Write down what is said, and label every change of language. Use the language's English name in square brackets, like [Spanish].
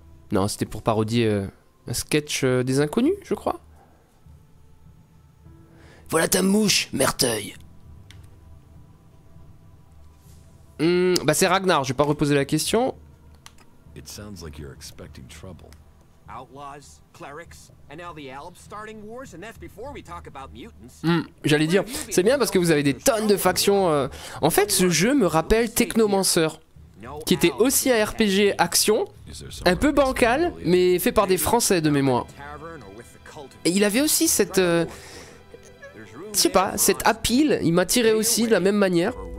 [French] Non, c'était pour parodier un sketch des Inconnus, je crois. Voilà ta mouche, Merteuil. Bah c'est Ragnar, je vais pas reposer la question. [English] It sounds like you're expecting trouble. Outlaws, clerics, and now the Alps starting wars, and that's before we talk about mutants. [French] J'allais dire, c'est bien parce que vous avez des tonnes de factions. En fait, ce jeu me rappelle Technomancer, qui était aussi un RPG action, un peu bancal, mais fait par des Français de mémoire. Et il avait aussi cette... je sais pas, cette appeal, il m'attirait aussi de la même manière.